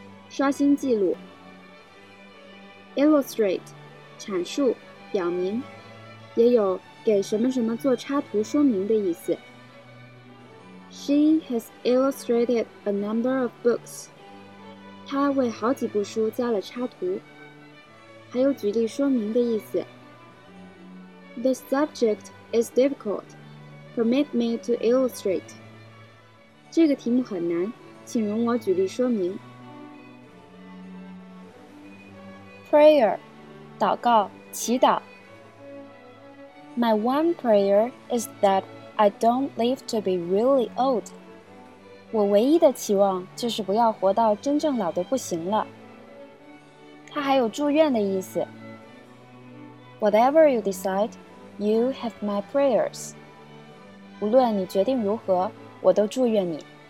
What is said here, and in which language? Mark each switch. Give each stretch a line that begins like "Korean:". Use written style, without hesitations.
Chinese: 刷新记录 ，illustrate， 阐述、表明，也有给什么什么做插图说明的意思。
English: She has illustrated a number of books。
Chinese: 她为好几部书加了插图，还有举例说明的意思。
English: The subject is difficult. Permit me to illustrate。
Chinese: 这个题目很难，请容我举例说明。 Prayer, 祷告，祈祷。
English: My one prayer is that I don't live to be really old.
Chinese: 我唯一的期望就是不要活到真正老得不行了。它还有祝愿的意思。
English: Whatever you decide, you have my prayers.
Chinese: 无论你决定如何，我都祝愿你。